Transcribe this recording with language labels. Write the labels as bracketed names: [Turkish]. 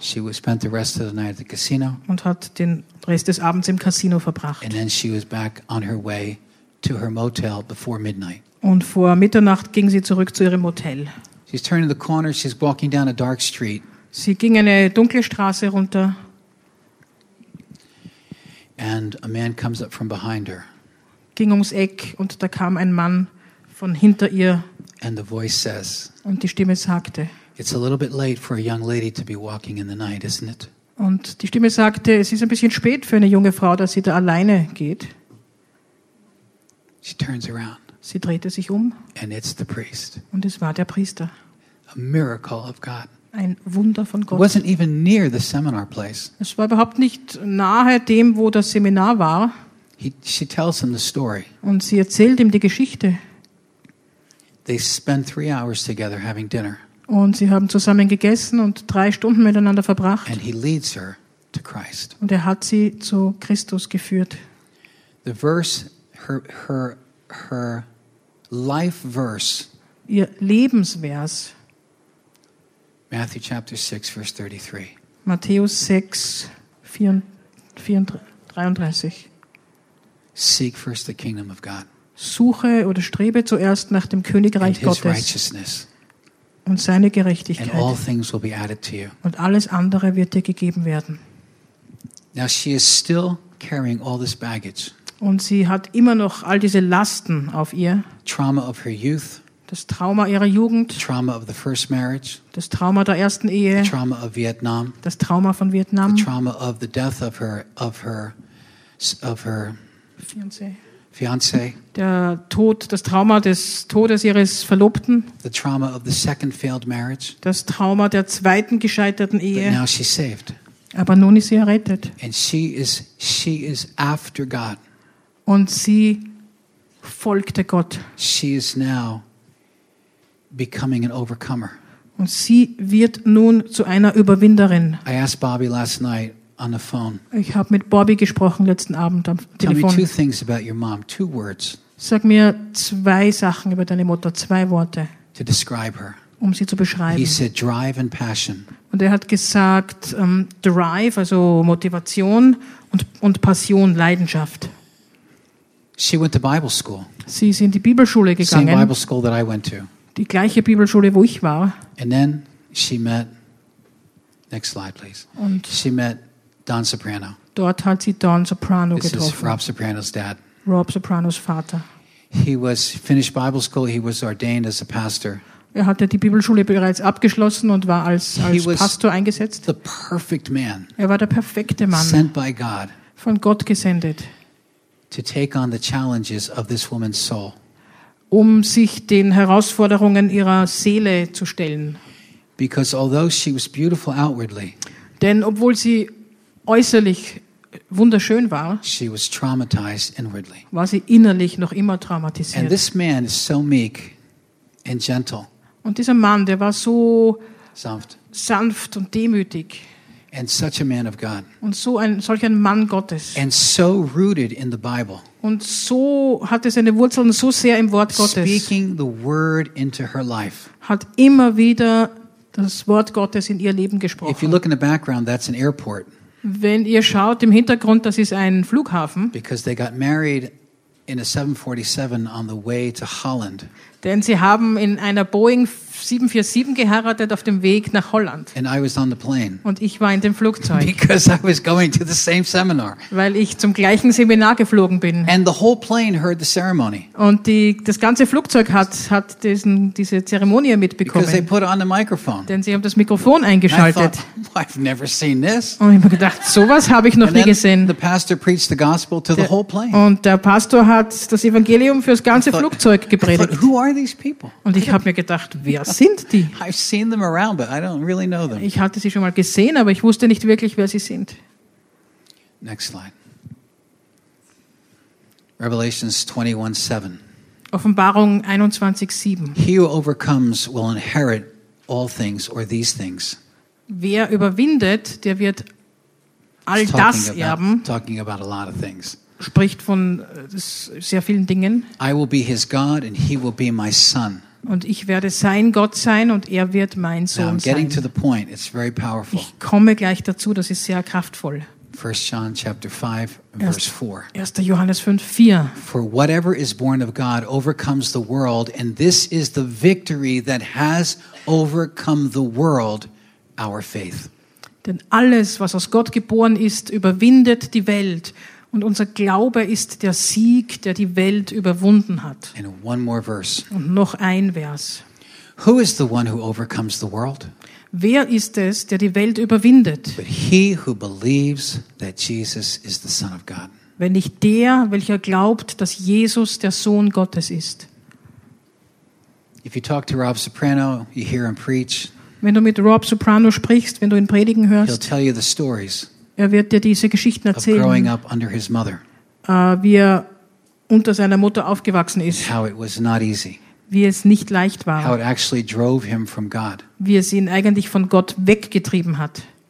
[English] She spent the rest of the night at the casino. [German] Und hat den Rest des Abends im Casino verbracht. [English] And then she was back on her way to her motel before midnight. [German] Und vor Mitternacht ging sie zurück zu ihrem Motel. [English] She's turning the corner. She's walking down a dark street. [German] Sie ging eine dunkle Straße runter. [English] And a man comes up from behind her. [German] Ging ums Eck und da kam ein Mann von hinter ihr. [English] And the voice says. [German] Und die Stimme sagte. [English] It's a little bit late for a young lady to be walking in the night, isn't it? [German] Und die Stimme sagte, es ist ein bisschen spät für eine junge Frau, dass sie da alleine geht. [English] She turns around. [German] Sie drehte sich um. [English] And it's the priest. [German] Und es war der Priester. [English] A miracle of God. [German] Ein Wunder von Gott. [English] It wasn't even near the seminar place. [German] Es war überhaupt nicht nahe dem, wo das Seminar war. [English] She tells him the story. [German] Und sie erzählt ihm die Geschichte. [English] They spend 3 hours together having dinner. [German] Und sie haben zusammen gegessen und 3 Stunden miteinander verbracht. [English] And he leads her to Christ. [German] Und er hat sie zu Christus geführt. [English] The verse, her life verse. [German] Ihr Lebensvers. [English] Matthew chapter 6, verse 33. [German] Matthäus 6, 33. [English] Seek first the kingdom of God. [German] Suche oder strebe zuerst nach dem Königreich Gottes und seine Gerechtigkeit. [English] And all things will be added to you. [German] Und alles andere wird dir gegeben werden. [English] Now she is still carrying all this baggage. [German] Und sie hat immer noch all diese Lasten auf ihr. [English] Trauma of her youth. [German] Das Trauma ihrer Jugend. [English] Trauma of the first marriage. [German] Das Trauma der ersten Ehe. [English] The trauma of Vietnam. [German] Das Trauma von Vietnam. [English] The trauma of the death of her fiancé. [German] Der Tod, das Trauma des Todes ihres Verlobten. [English] The trauma of the second failed marriage. [German] Das Trauma der zweiten gescheiterten Ehe. [English] But now she's saved. [German] Aber nun ist sie errettet. [English] And she is after God. [German] Und sie folgte Gott. [English] She is now becoming an overcomer. [German] Und sie wird nun zu einer Überwinderin. [English] I asked Bobby last night on the phone. [German] Ich habe mit Bobby gesprochen letzten Abend am Telefon. [English] Tell me two things about your mom. Two words. [German] Sag mir zwei Sachen über deine Mutter. Zwei Worte. [English] To describe her. [German] Um sie zu beschreiben. [English] He said drive and passion. [German] Und er hat gesagt drive, also Motivation und Passion, Leidenschaft. [English] She went to Bible school. [German] Sie ist in die Bibelschule gegangen. [English] Same Bible school that I went to. [German] Die gleiche Bibelschule, wo ich war. [English] And then she met, next slide please. [German] Und [English] she met Don Soprano. [German] Dort hat sie Don Soprano [English] This [German] getroffen. [English] This is Rob Soprano's dad. [German] Rob Sopranos Vater. [English] He was finished Bible school. He was ordained as a pastor. [German] Er hatte die Bibelschule bereits abgeschlossen und war als Pastor eingesetzt. [English] The perfect man. [German] Er war der perfekte Mann. [English] Sent by God. [German] Von Gott gesendet. [English] To take on the challenges of this woman's soul. [German] Um sich den Herausforderungen ihrer Seele zu stellen. [English] Because although she was beautiful outwardly, [German] denn obwohl sie äußerlich wunderschön war, [English] she was traumatized inwardly. [German] War sie innerlich noch immer traumatisiert. [English] And this man is so meek and gentle. [German] Und dieser Mann, der war so sanft, sanft und demütig. [English] And such a man of God. [German] Und so ein solcher Mann Gottes. [English] And so rooted in the Bible. [German] Und so hatte seine Wurzeln so sehr im Wort Gottes. [English] Speaking the word into her life. [German] Hat immer wieder das Wort Gottes in ihr Leben gesprochen. [English] If you look in the background, that's an airport. [German] Wenn ihr schaut im Hintergrund, das ist ein Flughafen. [English] Because they got married in a 747 on the way to Holland. [German] Denn sie haben in einer Boeing 747 geheiratet auf dem Weg nach Holland. [English] And I was on the plane. [German] Und ich war in dem Flugzeug. [English] Because I was going to the same seminar. [German] Weil ich zum gleichen Seminar geflogen bin. [English] And the whole plane heard the ceremony. [German] Und das ganze Flugzeug hat diese Zeremonie mitbekommen. [English] Because they put on the microphone. [German] Denn sie haben das Mikrofon eingeschaltet. [English] And I thought, I've never seen this. [German] Und ich habe gedacht, sowas habe ich noch [English] and [German] nie gesehen. [English] The pastor preached the gospel to the whole plane. [German] Und der Pastor hat das Evangelium für das ganze Flugzeug gepredigt. [English] I thought, who are these people? [German] Und ich habe mir gedacht, wer sind die? [English] I've seen them around, but I don't really know them. [German] Ich hatte sie schon mal gesehen, aber ich wusste nicht wirklich, wer sie sind. [English] Next slide. Revelations 21:7. [German] Offenbarung 21:7. [English] He who overcomes will inherit all things or these things. [German] Wer überwindet, der wird all das erben. [English] Talking about a lot of things. [German] Spricht von sehr vielen Dingen. [English] I will be his God and he will be my son. [German] Und ich werde sein Gott sein und er wird mein Sohn sein. [English] Now I'm getting to the point. It's very powerful. [German] Ich komme gleich dazu, das ist sehr kraftvoll. [English] 1. John chapter 5, verse 4. [German] 1. Johannes 5, 4. [English] For whatever is born of God overcomes the world, and this is the victory that has overcome the world, our faith. [German] Denn alles, was aus Gott geboren ist, überwindet die Welt. Und unser Glaube ist der Sieg, der die Welt überwunden hat. [English] And one more verse. [German] Und noch ein Vers. [English] Who is the one who overcomes the world? [German] Wer ist es, der die Welt überwindet? [English] But he who believes that Jesus is the Son of God. [German] Wenn nicht der, welcher glaubt, dass Jesus der Sohn Gottes ist. [English] If you talk to Rob Soprano, you hear him preach. [German] Wenn du mit Rob Soprano sprichst, wenn du ihn predigen hörst, [English] he'll tell you the stories. [German] Er wird dir diese Geschichten erzählen, wie er unter seiner Mutter aufgewachsen ist, [English] how it was not easy, [German] wie es nicht leicht war, [English] how it actually drove him from God, [German] wie es ihn eigentlich von Gott weggetrieben hat,